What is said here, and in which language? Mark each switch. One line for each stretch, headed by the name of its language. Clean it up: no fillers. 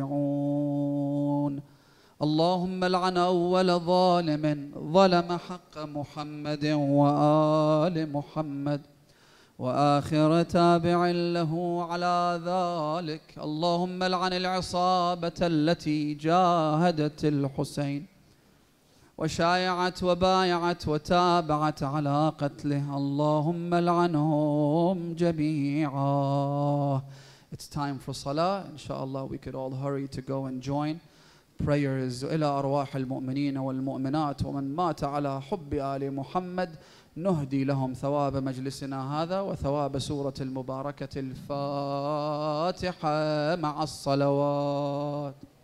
Arabic: راجعون اللهم لعن أول ظالم ظلم حق محمد وآل محمد وآخر تابع له على ذلك اللهم لعن العصابة التي جاهدت الحسين وشايعت وبايعت وتابعت على قتله اللهم لعنهم جميعا.
English: It's time for salah. Inshallah, we could all hurry to go and join.
Arabic: Prayers إلى أرواح المؤمنين والمؤمنات ومن مات على حب آل محمد نهدي لهم ثواب مجلسنا هذا وثواب سورة المباركة الفاتحة مع الصلوات.